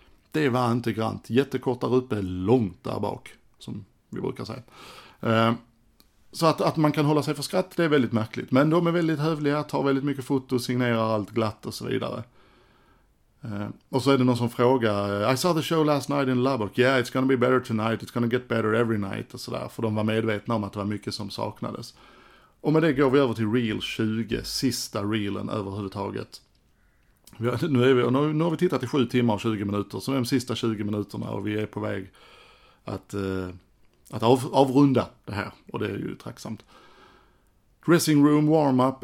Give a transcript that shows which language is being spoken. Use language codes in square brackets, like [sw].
[sv] Det var inte grant, jättekort där uppe, långt där bak, som vi brukar säga. Så att man kan hålla sig för skratt, det är väldigt märkligt. Men de är väldigt hövliga, tar väldigt mycket foto, signerar allt glatt och så vidare. Och så är det någon som frågar, [en] I saw the show last night in Lubbock. Yeah, it's gonna be better tonight, it's gonna get better every night. [sv] Och så där, för de var medvetna om att det var mycket som saknades. Och med det går vi över till Reel 20, sista reelen överhuvudtaget. Nu har vi tittat i 7 timmar och 20 minuter, så nu är de sista 20 minuterna och vi är på väg att... Att avrunda det här. Och det är ju tacksamt. Dressing room, warm up.